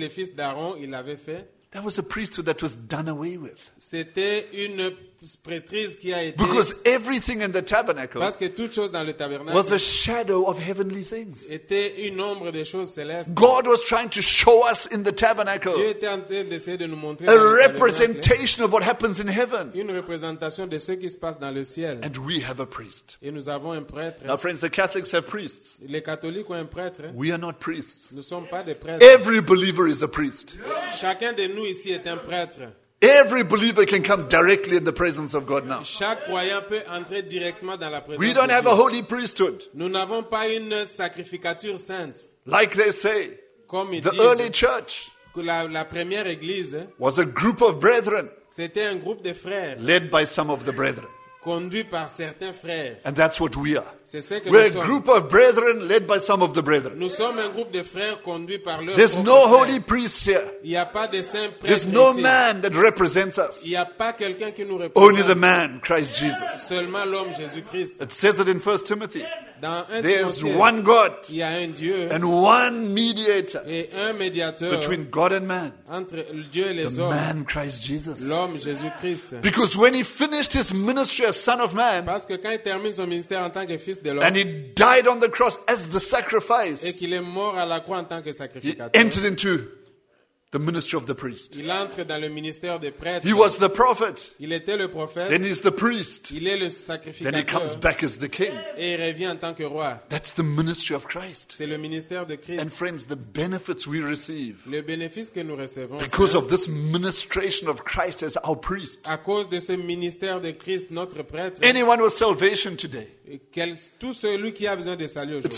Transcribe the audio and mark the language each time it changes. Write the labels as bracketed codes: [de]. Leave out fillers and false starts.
[fr] Les fils d'Aaron, il avait fait. [en] That was a priesthood that was done away with. [fr] C'était une prêtrise qui a été. [en] Because everything in the tabernacle, [fr] parce que toute chose dans le tabernacle [en] was a shadow of heavenly things. [fr] Était une ombre des choses célestes. [en] God was trying to show us in the tabernacle [fr] Dieu était en train d'essayer de nous montrer [en] a representation of what happens in heaven. [fr] Une représentation de ce qui se passe dans le ciel. [en] And we have a priest. [fr] Et nous avons un prêtre. [en] Now friends, the Catholics have priests. [fr] Les catholiques ont un prêtre. [en] We are not priests. [fr] Nous ne sommes pas des prêtres. [en] Every believer is a priest. [fr] Chacun de nous ici est un prêtre. [en] Every believer can come directly in the presence of God now. [fr] Chaque croyant peut entrer directement dans la présence de Dieu. [en] We don't have a holy priesthood. [fr] Nous n'avons pas une sacrificature sainte. [en] Like they say, [fr] comme ils [en] the [fr] disent, [en] early church [fr] la première église [en] was a group of brethren. [fr] C'était un groupe de frères. [en] Led by some of the brethren. [fr] Conduit par certains frères. [en] And that's what we are. [fr] C'est ce que [en] we're [fr] nous sommes. [en] A group of brethren led by some of the brethren. [fr] Nous sommes un groupe de frères conduits par leurs [en] there's no Holy priest here. [fr] Il y a pas de saint prêtre [en] there's [fr] ici. [en] No man that represents us. [fr] Il y a pas quelqu'un qui nous représente. [en] Only the man, Christ Jesus. [fr] Seulement l'homme Jésus-Christ. [en] It says it in 1 Timothy. [fr] Dans un [en] There's Timothée, one God [fr] y a un Dieu, [en] and one mediator [fr] et un médiateur [en] between God and man. [fr] Entre Dieu et les [en] the [fr] hommes, [en] man Christ Jesus. [fr] L'homme Jésus-Christ. [en] Because when he finished his ministry as Son of Man, [fr] parce que quand il termine son ministère en tant que fils de l'homme, [en] and he died on the cross as the sacrifice, [fr] et qu'il est mort à la croix en tant que sacrificateur, [en] he entered into the ministry of the priest. [fr] Il entre dans le ministère des prêtres. [en] He was the prophet. [fr] Il était le prophète. [en] Then he's the priest. [fr] Il est le sacrificateur. [en] Then he comes back as the king. [fr] Et il revient en tant que roi. [en] That's the ministry of Christ. [fr] C'est le ministère de Christ. [en] And friends, the benefits we receive. [fr] Le bénéfice que nous recevons. [en] Because of this ministration of Christ as our priest. [fr] À cause de ce ministère de Christ, notre prêtre. [en] Anyone with salvation today. [fr] Tout celui qui a besoin de salut aujourd'hui.